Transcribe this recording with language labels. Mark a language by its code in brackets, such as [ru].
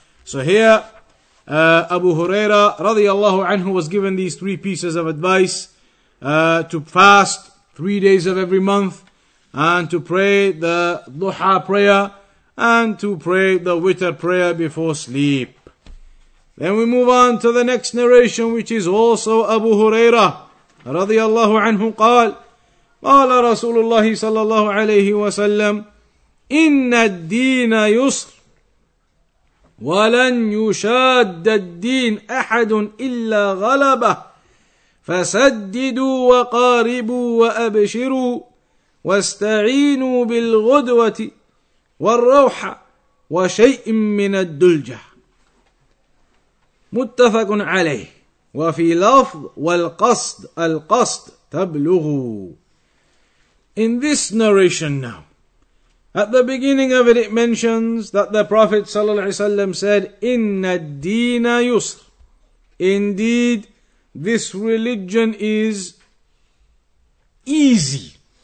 [en] So here, Abu Huraira radiallahu anhu was given these three pieces of advice. To fast 3 days of every month. And to pray the duha prayer. And to pray the witr prayer before sleep. Then we move on to the next narration, which is also Abu Huraira. [ar] رضي الله عنه قال قال رسول الله صلى الله عليه وسلم إن الدين يسر ولن يشاد الدين أحد إلا غلبه فسددوا وقاربوا وأبشروا واستعينوا بالغدوة والروحة وشيء من الدلجة متفق عليه وَفِي لَفْظ وَالْقَصْدِ الْقَصْدِ تَبْلُغُ. [en] In this narration now, at the beginning of it, it mentions that the Prophet ﷺ said, [ar] إِنَّ الدِّينَ يُسْرٌ. [en] Indeed, this religion is easy.